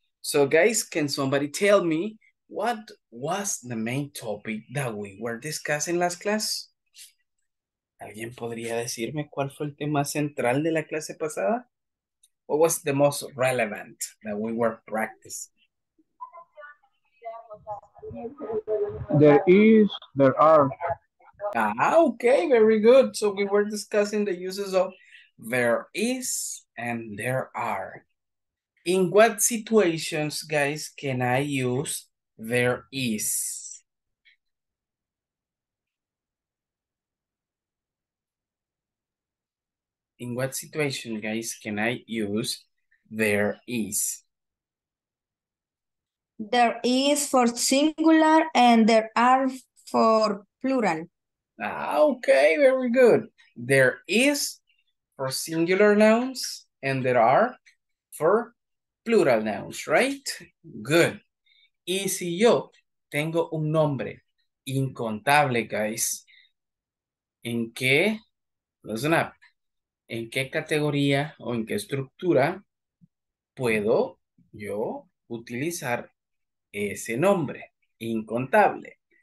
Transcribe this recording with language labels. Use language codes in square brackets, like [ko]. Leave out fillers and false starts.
[en] So guys, can somebody tell me what was the main topic that we were discussing last class? [es] ¿Alguien podría decirme cuál fue el tema central de la clase pasada? [en] What was the most relevant that we were practicing? There is, there are. Ah, okay, very good. So we were discussing the uses of there is and there are. In what situations, guys, can I use there is? In what situation, guys, can I use there is? There is for singular and there are for plural. Ah, okay, very good. There is for singular nouns and there are for plural nouns, right? Good. [es] Y si yo tengo un nombre incontable, guys, ¿en qué? [en] Listen up. [es] ¿En qué categoría o en qué estructura puedo yo utilizar ese nombre incontable?